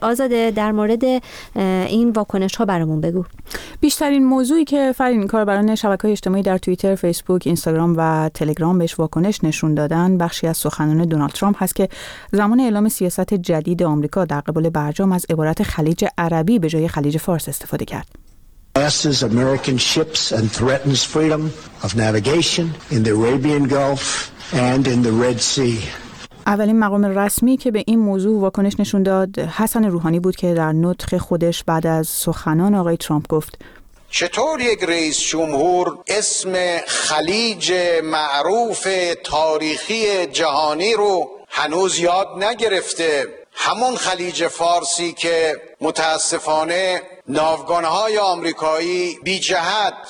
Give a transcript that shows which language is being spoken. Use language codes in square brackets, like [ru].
[fa] آزاده، در مورد این واکنش‌ها برامون بگو. بیشترین موضوعی که فرین کاربران شبکه‌های اجتماعی در توییتر، فیسبوک، اینستاگرام و تلگرام بهش واکنش نشون دادن، بخشی از سخنان دونالد ترامپ هست که زمان اعلام سیاست جدید آمریکا در قبال برجام از عبارت خلیج عربی به جای خلیج فارس استفاده کرد. [en] Passes American ships and threatens freedom of navigation in the Arabian Gulf and in the Red Sea. [fa] اولین مقام رسمی که به این موضوع واکنش نشون داد حسن روحانی بود که در نطق خودش بعد از سخنان آقای ترامپ گفت: چطور یک رئیس جمهور اسم خلیج معروف تاریخی جهانی رو هنوز یاد نگرفته؟ همون خلیج فارسی که متاسفانه ناوگان‌های آمریکایی بی جهت